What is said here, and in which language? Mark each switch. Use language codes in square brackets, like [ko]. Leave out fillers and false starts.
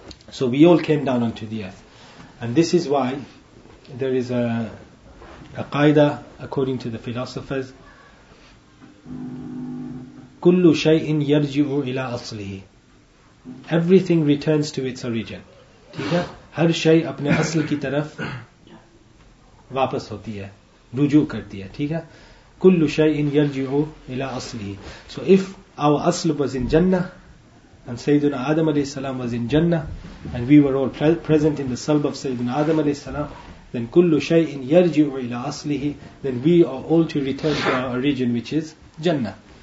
[en] So we all came down onto the earth. And this is why there is a qaida according to the philosophers. [ar] كُلُّ شَيْءٍ يَرْجِعُ إِلَىٰ أَصْلِهِ. [en] Everything returns to its origin. [ur] ہر شيء اپنے اصل کی طرف واپس ہوتی ہے, رجوع کرتی ہے, ٹھیک ہے. [ar] كُلُّ شَيْءٍ يَرْجِعُ إِلَىٰ أَصْلِهِ. [en] So if our asl was in Jannah, and Sayyidina Adam alayhi salam was in Jannah, and we were all present in the salb of Sayyidina Adam alayhi salam, then [ar] كُلُّ شَيْءٍ يَرْجِعُ إِلَىٰ أَصْلِهِ, [en] then we are all to return to our origin, which is Jannah.